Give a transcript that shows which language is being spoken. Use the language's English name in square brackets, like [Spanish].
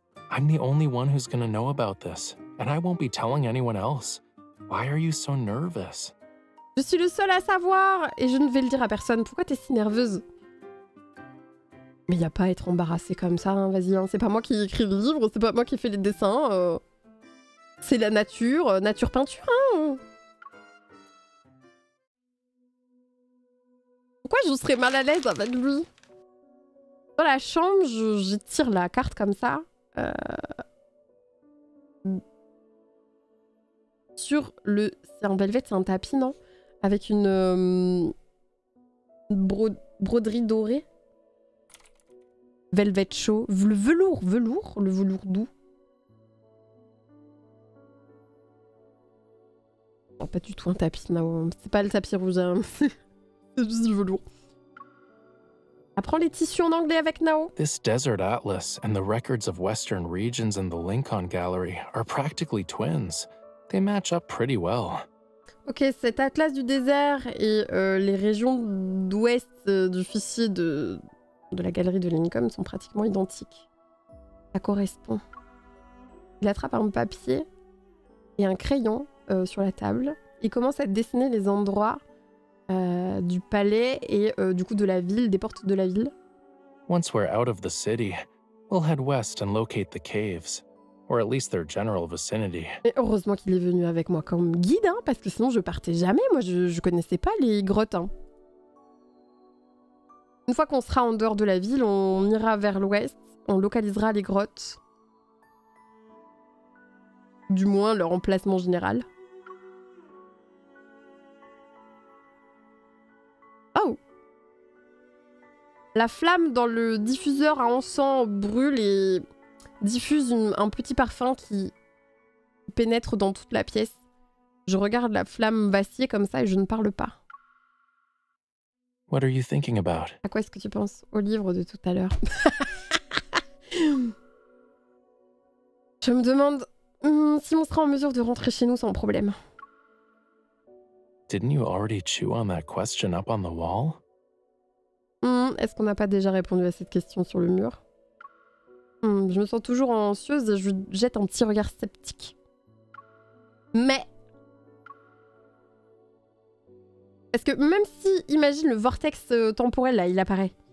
[English] I'm the only one who's gonna know about this, and I won't be telling anyone else. Why are you so nervous? [French] Je suis le seul à savoir et je ne vais le dire à personne. Pourquoi t'es si nerveuse? Mais y a pas à être embarrassée comme ça, hein. Vas-y, hein. C'est pas moi qui écris le livre, c'est pas moi qui fais les dessins. C'est la nature, nature-peinture, hein. Pourquoi je serais mal à l'aise avec lui? Dans la chambre, je tire la carte comme ça. Sur le... C'est un velvet, c'est un tapis, non? Avec une broderie dorée. Velvet chaud. Velours. Le velours doux. Non, pas du tout un tapis, non. C'est pas le tapis rouge, hein. C'est juste du velours. Apprends les tissus en anglais avec Nao. [English] This desert atlas and the records of western regions in the Lincoln Gallery are practically twins. They match up pretty well. [French] Ok, cet atlas du désert et les régions d'ouest du fichier de la galerie de Lincoln sont pratiquement identiques. Ça correspond. Il attrape un papier et un crayon sur la table et commence à dessiner les endroits du palais et du coup de la ville, des portes de la ville. [English] Once we're out of the city, we'll head west and locate the caves. Or at least their general vicinity. [French] Et heureusement qu'il est venu avec moi comme guide, hein, parce que sinon je partais jamais. Moi, je connaissais pas les grottes, hein. Une fois qu'on sera en dehors de la ville, on ira vers l'ouest. On localisera les grottes. Du moins, leur emplacement général. Oh! La flamme dans le diffuseur à encens brûle et diffuse un petit parfum qui pénètre dans toute la pièce. Je regarde la flamme vaciller comme ça et je ne parle pas. [English] What are you thinking about? [French] À quoi est-ce que tu penses? Au livre de tout à l'heure. Je me demande si on sera en mesure de rentrer chez nous sans problème. [English] Didn't you already chew on that question up on the wall? [French] Est-ce qu'on n'a pas déjà répondu à cette question sur le mur? Je me sens toujours anxieuse et je jette un petit regard sceptique. Mais... Est-ce que même si, imagine, le vortex temporel, là, il apparaît.